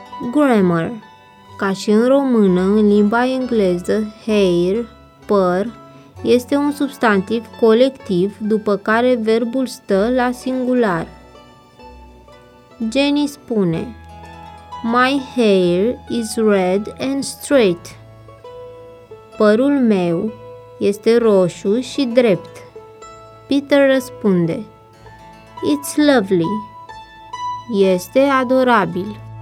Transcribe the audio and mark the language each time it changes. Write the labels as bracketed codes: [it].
[ro] Grammar. Ca și în română, în limba engleză, hair, păr, este un substantiv colectiv după care verbul stă la singular. [en] Jenny [ro] spune, [en] My hair is red and straight. [ro] Părul meu este roșu și drept. [en] Peter [ro] răspunde, [en] It's lovely. [ro] Este adorabil.